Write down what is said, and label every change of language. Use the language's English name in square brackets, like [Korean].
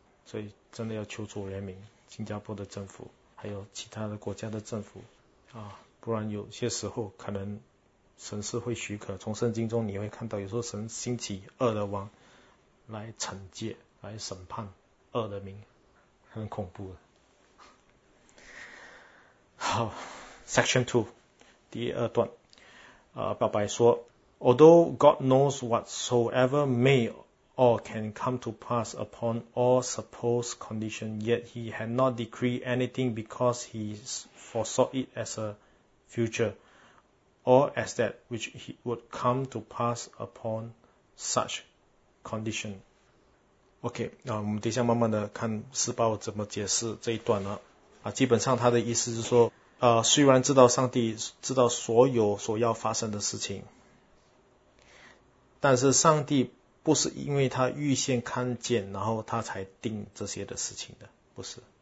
[Chinese] 所以真的要求主怜悯新加坡的政府，还有其他的国家的政府不然有些时候可能神是会许可。从圣经中你会看到，有时候神兴起恶的王来惩戒、来审判恶的民，很恐怖的。 [English] 好 ，Section 2， [Chinese] 第二段，表白说 [English] ，Although God knows whatsoever may or can come to pass upon all supposed condition, yet he had not decreed anything because he foresaw it as a future, or as that which he would come to pass upon such condition. [Chinese] OK, 我们等一下慢慢的看施保怎么解释这一段基本上他的意思是说虽然知道上帝知道所有所要发生的事情，但是上帝不是因为他预先看见然后他才定这些的事情的，不是